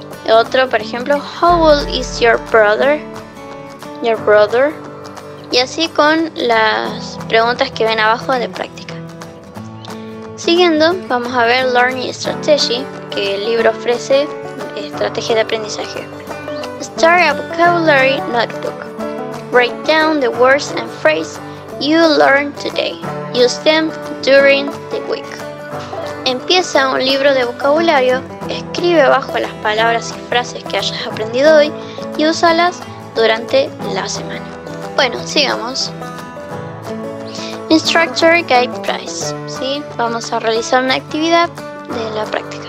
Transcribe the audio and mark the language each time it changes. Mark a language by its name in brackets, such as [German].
[English] Otro, por ejemplo, how old is your brother? Your brother. [Spanish] Y así con las preguntas que ven abajo de práctica. Siguiendo, vamos a ver Learning Strategy, que el libro ofrece estrategia de aprendizaje. [English] Start a vocabulary notebook. Write down the words and phrases you learned today. Use them during the week. [Spanish] Empieza un libro de vocabulario, escribe abajo las palabras y frases que hayas aprendido hoy y úsalas durante la semana. Bueno, sigamos. Instructor Guide Price, ¿sí? Vamos a realizar una actividad de la práctica.